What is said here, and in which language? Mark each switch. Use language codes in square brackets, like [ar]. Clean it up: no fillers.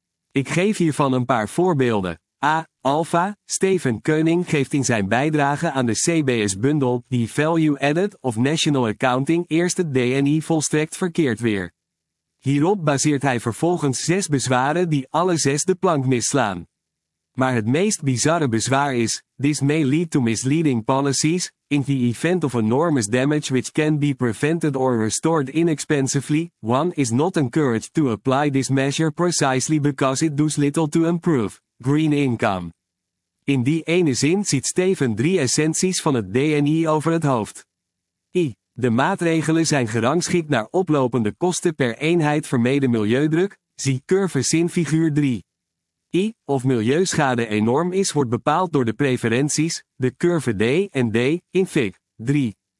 [nl] Ik geef hiervan een paar voorbeelden. A. Alpha, Steven Koenig geeft in zijn bijdrage aan de CBS-bundel The Value Added of National Accounting eerst het DNI volstrekt verkeerd weer. Hierop baseert hij vervolgens 6 bezwaren die alle 6 de plank misslaan. Maar het meest bizarre bezwaar is, [en] this may lead to misleading policies, in the event of enormous damage which can be prevented or restored inexpensively, one is not encouraged to apply this measure precisely because it does little to improve green income. [nl] In die ene zin ziet Steven 3 essenties van het DNI over het hoofd. I. De maatregelen zijn gerangschikt naar oplopende kosten per eenheid vermeden milieudruk, zie curves in figuur 3. I. Of milieuschade enorm is wordt bepaald door de preferenties, de curve D en D, in fig. 3.